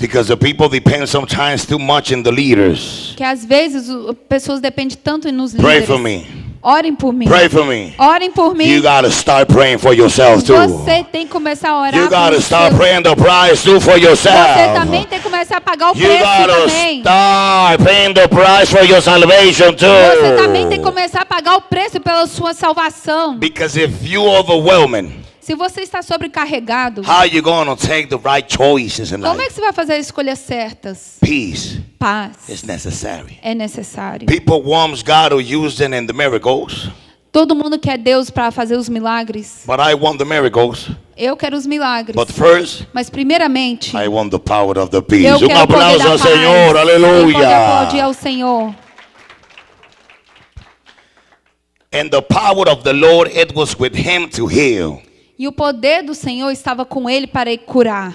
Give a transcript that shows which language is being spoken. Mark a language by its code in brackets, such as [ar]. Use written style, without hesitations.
[en] Because the people depend sometimes too much in the leaders. [pt] Que às vezes as pessoas dependem tanto nos líderes. [en] Pray for me. [pt] Orem por mim. [en] Pray for me. [pt] Orem por mim. [en] You gotta start praying for yourself too. [pt] Você tem que começar a orar por você. [en] You gotta start praying the price too for yourself. [pt] Você também tem que começar a pagar o preço também. [en] You gotta start paying the price for your salvation too. [pt] Você também tem que começar a pagar o preço pela sua salvação. [en] Because if you overwhelming, [pt] se você está sobrecarregado, [en] how you gonna take the right choices in life? [pt] Como é que você vai fazer as escolhas certas? [en] Peace. [pt] Paz. [en] It's necessary. [pt] É necessário. [en] People want God to use them in the miracles. [pt] Todo mundo quer Deus para fazer os milagres. [en] But I want the miracles. [pt] Eu quero os milagres. [en] But first, [pt] mas primeiramente, [en] I want the power of the peace. [pt] Eu quero um aplauso ao Senhor. Aleluia. Aplaudir ao Senhor. [en] And the power of the Lord, it was with him to heal. [pt] E o poder do Senhor estava com ele para curar.